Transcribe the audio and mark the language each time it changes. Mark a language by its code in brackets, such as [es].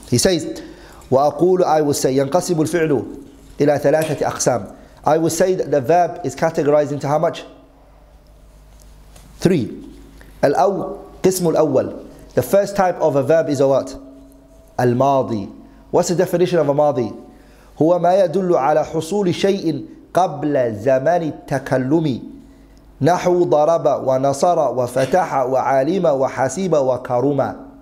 [en] He says, I will say [ar] ينقسم الفعل إلى ثلاثة أقسام. [en] I will say that the verb is categorized into how much? Three. [ar] الأو قسم الأول. [en] The first type of a verb is a what? الماضي. What's the definition of a ماضي? [ar] هو ما يدل على حصول شيء قبل زمان التكلم. نحو ضرب ونصر وفتح وعالم وحاسب وكرم.